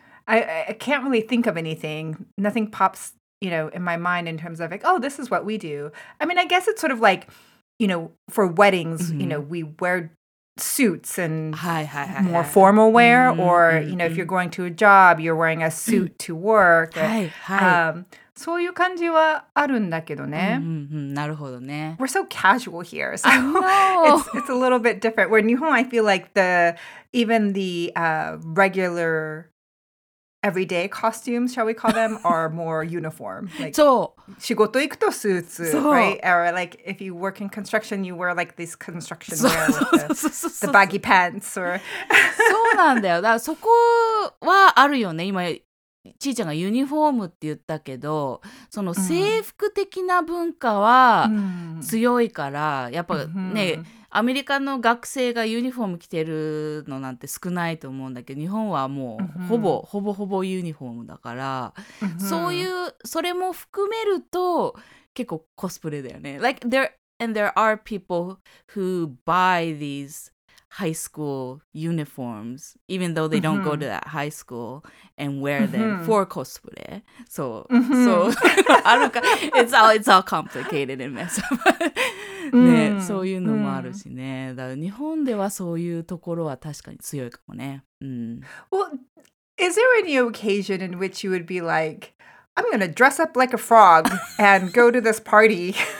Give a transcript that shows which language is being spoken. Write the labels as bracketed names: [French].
[English] I can't really think of anything. Nothing pops, you know, in my mind in terms of like, oh, this is what we do. I mean, I guess it's sort of like, you know, for weddings, you know, we wear suits and more formal wear, or you know, if you're going to a job, you're wearing a suit to work. So [Japanese] いう感じはあるんだけどね。なるほどね。 [English] We're so casual here, so it's a little bit different. Where in Nihon, I feel like even the regular everyday costumes, shall we call them, are more uniform. Like, so, [Japanese] 仕事行くとスーツ, [English] right? Or like, if you work in construction, you wear like this construction wear with the baggy pants. Or... [Japanese] そうなんだよ。だからそこはあるよね。今、ちーちゃんがユニフォームって言ったけど、その制服的な文化は強いから、やっぱね、アメリカの学生がユニフォーム着てるのなんて少ないと思うんだけど、日本はもうほぼ、ほぼほぼユニフォームだから、そういう、それも含めると結構コスプレだよね。 [English] Like, there are people who buy these high school uniforms, even though they don't go to that high school, and wear them for cosplay. So, I don't know. It's all complicated and messed up. [Japanese] ね、そういうのもあるしね。だから日本ではそういうところは確かに強いかもね。 [English] Well, is there any occasion in which you would be like, I'm gonna dress up like a frog and go to this party?